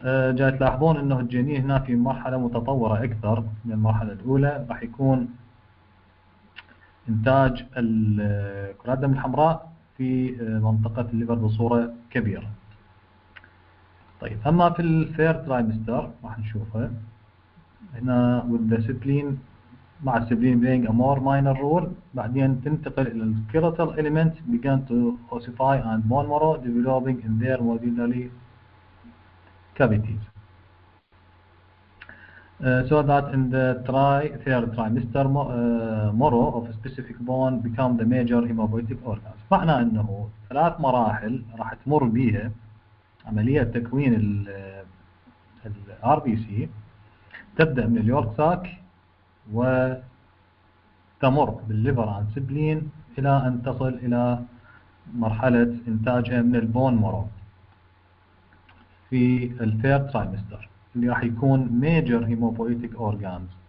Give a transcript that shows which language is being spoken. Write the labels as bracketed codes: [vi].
[ar] جاي تلاحظون انه الجنين هنا في مرحلة متطورة اكثر من المرحلة الاولى، راح يكون انتاج كرات الدم الحمراء في منطقة الليفر بصورة كبيرة. طيب، اما في الثيرد ترايمستر راح نشوفها هنا [en] with the [ar] سيبلين، مع السبلين [en] playing a more minor role. [ar] بعدين تنتقل الى [en] skeletal elements began to ossify and bone marrow developing in their medullary cavities. So that in the third trimester marrow of a specific bone become the major hematopoietic organs. [ar] معنى انه ثلاث مراحل راح تمر بيها عملية تكوين ال RBC، تبدأ من اليورك ساك وتمر بالليفر عن سبلين الى ان تصل الى مرحلة انتاجها من البون مارو في الثيرد ترايمستر اللي راح يكون ميجر هيموبويتيك اورجانز.